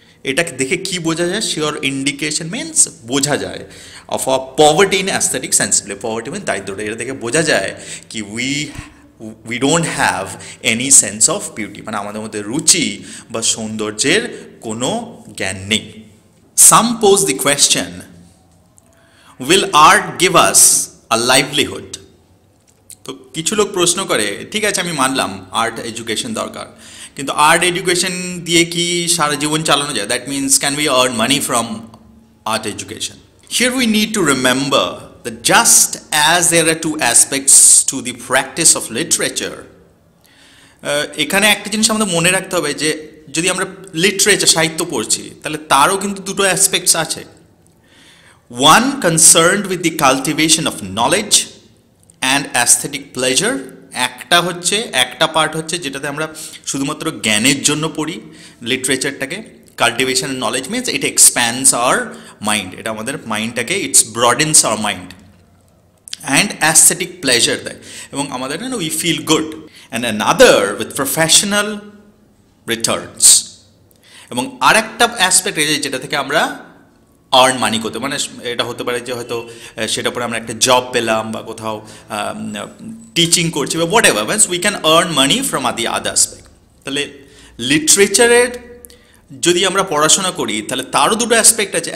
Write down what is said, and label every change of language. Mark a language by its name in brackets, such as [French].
[Bangla] এটাকে দেখে কি বোঝা যায়? শিওর ইন্ডিকেশন মিনস বোঝা যায় [English] of a poverty in aesthetic sensibility, [Bangla] poverty মিন দারিদ্রতা, এটা দেখে বোঝা যায় কি [English] we don't have any sense of beauty, [Bangla] মানে আমাদের মধ্যে রুচি বা সৌন্দর্যের কোনো জ্ঞান নেই। [English] Some pose the question, will art give us a livelihood? [Bangla] তো কিছু লোক প্রশ্ন করে, ঠিক আছে আমি মানলাম আর্ট এডুকেশন দরকার, কিন্তু আর্ট এডুকেশন দিয়ে কি সারা জীবন চালানো যায়? [English] That means can we earn money from art education? Here we need to remember that just as there are two aspects to the practice of literature, [Bangla] এখানে একটা জিনিস আমাদের মনে রাখতে হবে যে যদি আমরা লিটারেচার সাহিত্য পড়ছি তাহলে তারও কিন্তু দুটো অ্যাসপেক্টস আছে। [English] one concerned with the cultivation of knowledge and aesthetic pleasure, [Bangla] একটা হচ্ছে একটা পার্ট হচ্ছে যেটাতে আমরা শুধুমাত্র জ্ঞানের জন্য পড়ি লিটারেচারটাকে, [English] cultivation of knowledge means it expands our mind, [Bangla] এটা আমাদের মাইন্ডটাকে [English] its broadens our mind, and aesthetic pleasure [Bangla] দেয় এবং আমাদের [English] We feel good, and another with professional returns. [Bangla] এবং আরেকটা অ্যাসপেক্ট রয়েছে যেটা থেকে আমরা আর্ন মানি করতে, মানে এটা হতে পারে যে হয়তো সেটার পরে আমরা একটা জব পেলাম বা কোথাও টিচিং করছি বা what ever, [English] Means we can earn money from আদি other aspect. [Bangla] তাহলে লিটারেচারের যদি আমরা পড়াশোনা করি তাহলে তারও দুটো অ্যাসপেক্ট আছে।